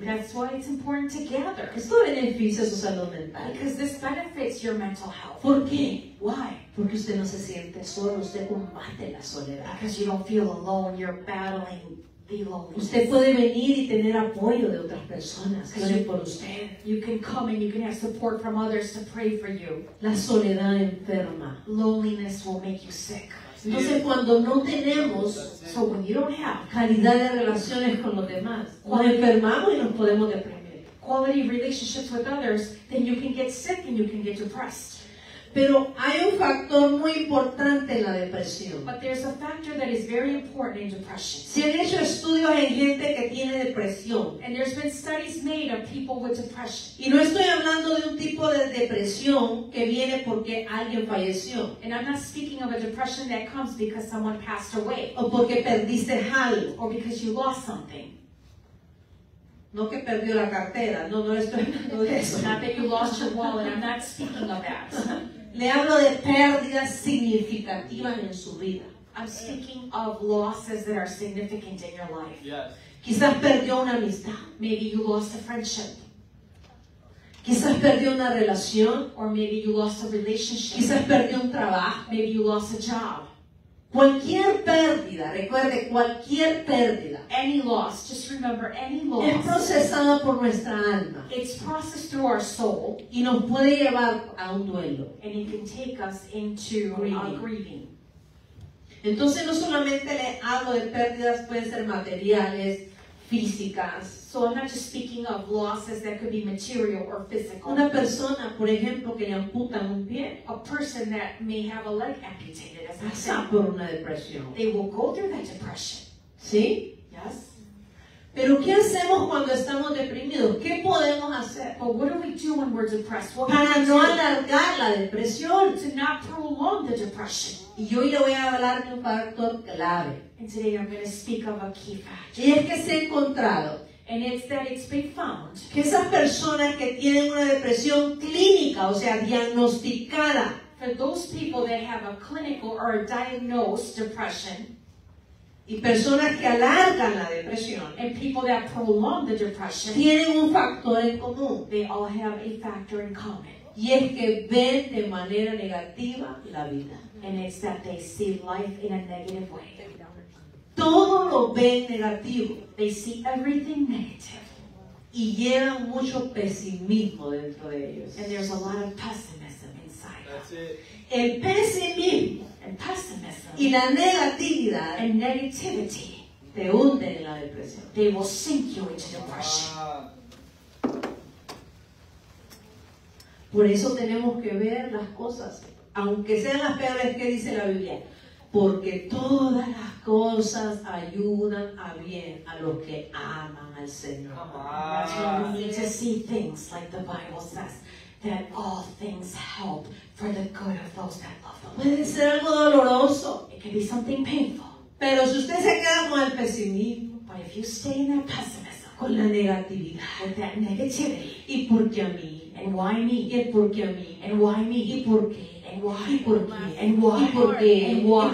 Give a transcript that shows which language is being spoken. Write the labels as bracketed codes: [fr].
[en] That's why it's important to gather. [es] Esto beneficia su salud mental. [en] Because this benefits your mental health. [es] ¿Por qué? [en] Why? [es] Porque usted no se siente solo. Usted combate la soledad. [en] Because you don't feel alone. You're battling the loneliness. [es] Usted puede venir y tener apoyo de otras personas. Claro, por usted. [en] You can come and you can have support from others to pray for you. [es] La soledad enferma. [en] Loneliness will make you sick. [es] Entonces cuando no tenemos calidad de relaciones con los demás, nos enfermamos y nos podemos deprimir. [en] Quality relationships with others, then you can get sick and you can get depressed. [es] Pero hay un factor muy importante en la depresión. [en] But there's a factor that is very important in depression. [es] Se han hecho estudios en gente que tiene depresión. [en] And there's been studies made of people with depression. [es] Y no estoy hablando de un tipo de depresión que viene porque alguien falleció. [en] And I'm not speaking of a depression that comes because someone passed away. [es] O porque perdiste algo. [en] Or because you lost something. [es] No que perdió la cartera. No, no estoy hablando de eso. [en] Not that you lost your wallet. I'm not speaking of that. [es] Le hablo de pérdidas significativas en su vida. [en] I'm speaking of losses that are significant in your life. Yes. [es] Quizás perdió una amistad. [en] Maybe you lost a friendship. [es] Quizás perdió una relación. [en] Or maybe you lost a relationship. [es] Quizás perdió un trabajo. [en] Maybe you lost a job. [es] Cualquier pérdida, recuerde, cualquier pérdida. [en] Any loss, just remember, any loss. [es] Es procesada por nuestra alma. [en] It's processed through our soul. [es] Y nos puede llevar a un duelo. [en] And it can take us into grieving. [es] Entonces no solamente le hablo de pérdidas, pueden ser materiales, físicas. [en] So I'm not just speaking of losses that could be material or physical. [es] Una persona, por ejemplo, que le amputan un pie. [en] A person that may have a leg amputated. [es] Pasa por una depresión. [en] They will go through that depression. [es] ¿Sí? [en] Yes. [es] Pero ¿qué hacemos cuando estamos deprimidos? ¿Qué podemos hacer? [en] But what do we do when we're depressed? What [es] para no alargar la depresión. [en] To not prolong the depression. [es] Y yo ya voy a hablar de un factor clave. [en] And today I'm going to speak of a key factor. [es] Y es que se ha encontrado. [en] And it's that it's been found. [es] Que esas personas que tienen una depresión clínica, o sea, diagnosticada. [en] For those people that have a clinical or a diagnosed depression. [es] Y personas que alargan la depresión. [en] And people that prolong the depression. [es] Tienen un factor en común. [en] They all have a factor in common. [es] Y es que ven de manera negativa la vida. [en] And it's that they see life in a negative way. [es] Todo lo ven negativo. [en] They see everything negative. [es] Y llevan mucho pesimismo dentro de ellos. [en] And there's a lot of pessimism inside. That's it. [es] El pesimismo. [en] And pessimism. [es] Y la negatividad. [en] And negativity. [es] Te hunden en la depresión. [en] They will sink you into depression. [es] Por eso tenemos que ver las cosas. Aunque sean las peores, ¿qué dice la Biblia? Porque todas las cosas ayudan a bien a los que aman al Señor. [en] That's why we need to see things like the Bible says, that all things help for the good of those that love them. [es] Puede ser algo doloroso. [en] It can be something painful. [es] Pero si usted se queda con el pesimismo. [en] But if you stay in that pessimism. [es] Con la negatividad. [en] With that negativity. [es] ¿Y por qué a mí? [en] And why me? [es] ¿Y por qué a mí? [en] And why me? [es] ¿Y por qué? [en] And why? [es] ¿Y por qué? [en] And why?